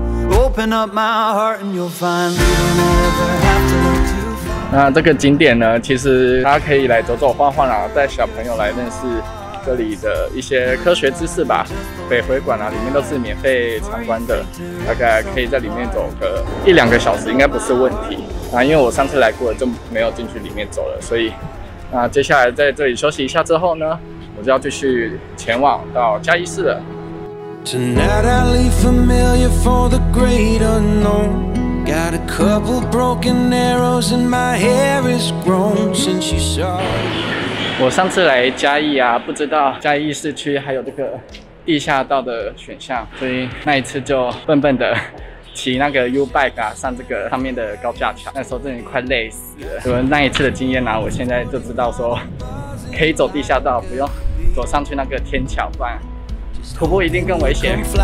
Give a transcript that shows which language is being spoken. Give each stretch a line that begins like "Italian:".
English: Open up my heart and you'll find you'll never have to look too far.
Chinese: 景点呢，其实大家可以来走走晃晃啊，带小朋友来认识这里的一些科学知识吧。北回馆啊，里面都是免费参观的，大概可以在里面走个一两个小时，应该不是问题。啊，因为我上次来过了，就没有进去里面走了，所以那接下来在这里休息一下之后呢，我就要继续前往到嘉义市了。
English: Tonight I leave familiar for the great unknown. Got a couple broken arrows and my hair is grown since you saw.
Chinese: 我上次来嘉义啊，不知道嘉义市区还有这个地下道的选项，所以那一次就笨笨的骑那个 U bike 啊上这个上面的高架桥，那时候真的快累死了。有了那一次的经验啊，我现在就知道说可以走地下道，不用走上去那个天桥，不然徒步一定更危险。